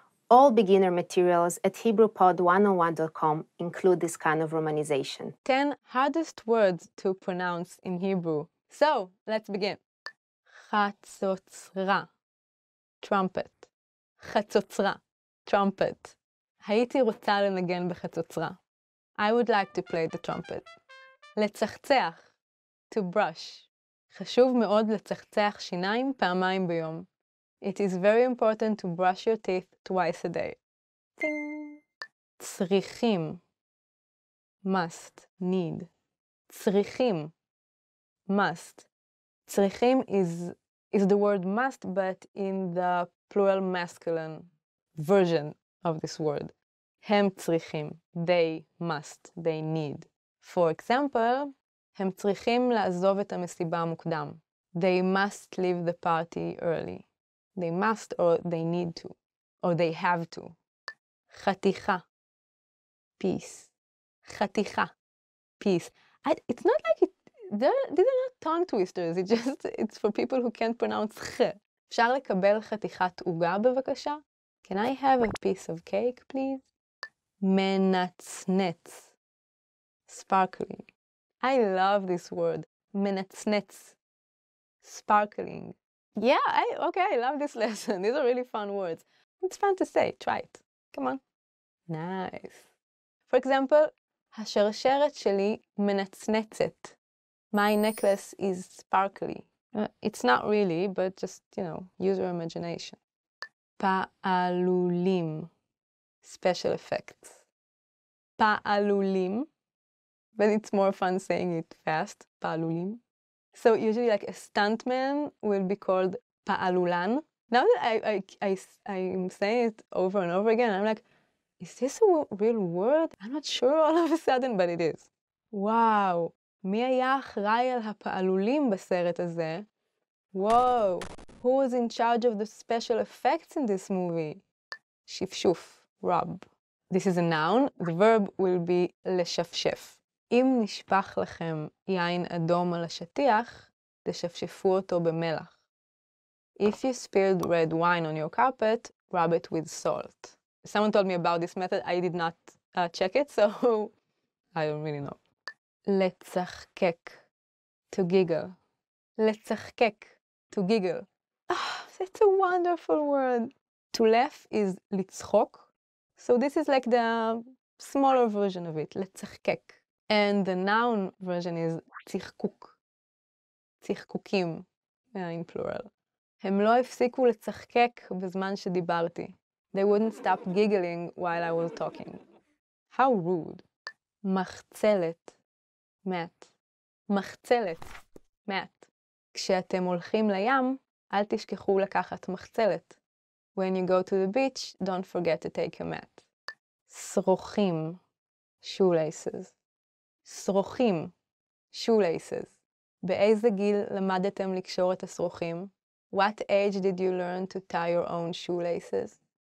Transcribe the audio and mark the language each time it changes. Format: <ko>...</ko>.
<en>All beginner materials at HebrewPod101.com include this kind of romanization. 10 hardest words to pronounce in Hebrew. So, let's begin.</en> <he>חצוצרה, trumpet. חצוצרה, trumpet. הייתי רוצה לנגן בחצוצרה.</he> <en>I would like to play the trumpet. לצחצח, to brush.</en> <he>חשוב מאוד לצחצח שיניים פעמיים ביום.</he> <en>It is very important to brush your teeth twice a day. Ding. צריכים, must, need. צריכים, must. צריכים is the word must, but in the plural masculine version of this word.</en> <he>הם צריכים,</he> <en>they must, they need. For example,</en> <he>הם צריכים לעזוב את המסיבה מוקדם.</he> <en>They must leave the party early. They must or they need to, or they have to.</en> <he>חתיכה, piece. חתיכה, piece.</he> <en>It's not like it, these are not tongue twisters, it's for people who can't pronounce ח.</en> <he>אפשר לקבל חתיכת עוגה בבקשה?</he> <en>Can I have a piece of cake, please? מנצנץ, sparkling. I love this word, מנצנץ, sparkling. Yeah, I love this lesson. These are really fun words. It's fun to say, try it. Come on. Nice. For example,</en> <he>השרשרת שלי מנצנצת.</he> <en>My necklace is sparkly. It's not really, but just, you know, use your imagination. פעלולים, special effects. פעלולים, but it's more fun saying it fast, פעלולים. So usually like a stuntman will be called פעלולן. Now that I'm saying it over and over again, I'm like, is this a real word? I'm not sure all of a sudden, but it is. Wow.</en> <he>מי היה אחראי על הפעלולים בסרט הזה?</he> <en>Whoa. Who was in charge of the special effects in this movie? שפשוף, rub. This is a noun. The verb will be לשפשף.</en> <he>אם נשפח לכם יין אדום על השטיח, תשפשפו אותו במלח.</he> <en>If you spilled red wine on your carpet, rub it with salt. Someone told me about this method, I did not check it, so I don't really know. לצחקק, to giggle. לצחקק, to giggle. Oh, that's a wonderful word. To laugh is לצחוק. So this is like the smaller version of it, לצחקק. And the noun version is צחקוק, צחקוקים, in plural.</en> <he>הם לא הפסיקו לצחקק בזמן שדיברתי.</he> <en>They wouldn't stop giggling while I was talking. How rude. מחצלת, mat.</en> <he>מחצלת, mat. כשאתם הולכים לים, אל תשכחו לקחת מחצלת.</he> <en>When you go to the beach, don't forget to take a mat. שרוכים, shoelaces. שרוכים, shoelaces.</en> <he>באיזה גיל למדתם לקשור את השרוכים?</he> <en>What age did you learn to tie your own shoelaces?</en>